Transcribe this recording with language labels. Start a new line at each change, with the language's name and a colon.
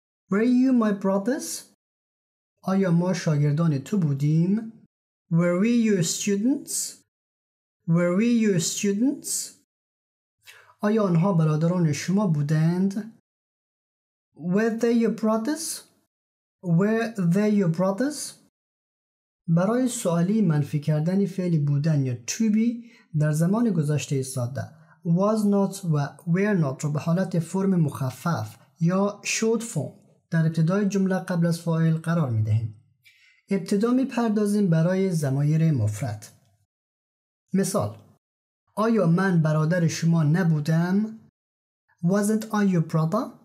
English: Were you my brothers?
Persian: آیا ما شاگردان تو بودیم؟
English: Were we your students? Were we your students?
Persian: آیا آنها برادران شما بودند؟
English: Were they your brothers? Were they your brothers?
Persian: برای سوالی منفی کردن فعل بودن یا to be در زمان گذشته ساده was not و were not را به حالت فرم مخفف یا short form در ابتدای جمله قبل از فاعل قرار می دهیم. ابتدا می پردازیم برای ضمایر مفرد. مثال: آیا من برادر شما نبودم؟
English: Wasn't I your brother?